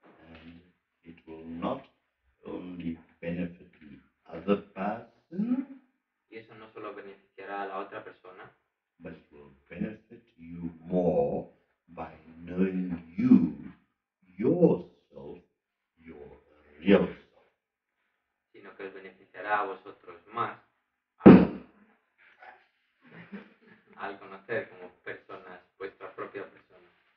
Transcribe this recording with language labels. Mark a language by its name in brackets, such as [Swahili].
[English] And it will not only benefit the other person. [Spanish] Y eso no solo beneficiará a la otra persona. [English] But it will benefit you more by knowing you, yourself, your real soul. [Spanish] Sino que os beneficiará a vosotros más al conocer como personas vuestra propia persona.